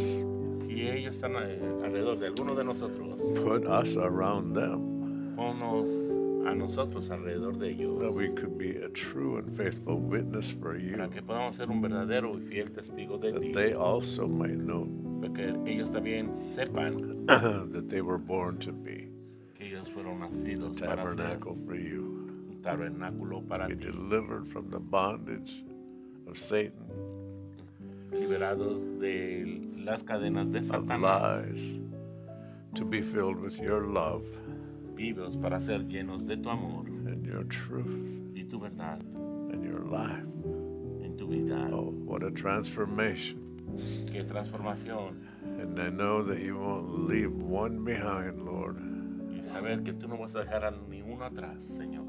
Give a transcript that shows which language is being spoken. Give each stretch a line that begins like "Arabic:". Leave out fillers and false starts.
Spanish: Si ellos están alrededor de alguno de nosotros.
English: Put us around them.
Spanish: Ponos a nosotros alrededor de ellos.
English: That we could be a true and faithful witness for you.
Spanish: Para que podamos ser un verdadero y fiel testigo de ti.
English: That they also might know.
Spanish: Para que ellos también sepan.
English: That they were born to be.
Spanish: Que ellos fueron nacidos para ser.
English: Tabernacle for you.
Spanish: Un tabernáculo para ti.
English: Be delivered from the bondage of Satan.
Spanish: Liberados de las cadenas de Satanás.
English: Of lies. To be filled with your love.
Spanish: Vivos para ser llenos de tu amor
English: and your truth
Spanish: y tu verdad
English: and your life
Spanish: en tu vida.
English: Oh, what a transformation.
Spanish: Qué transformación.
English: And I know that you won't leave one behind, Lord.
Spanish: Y saber que tú no vas a dejar a ninguno atrás, Señor.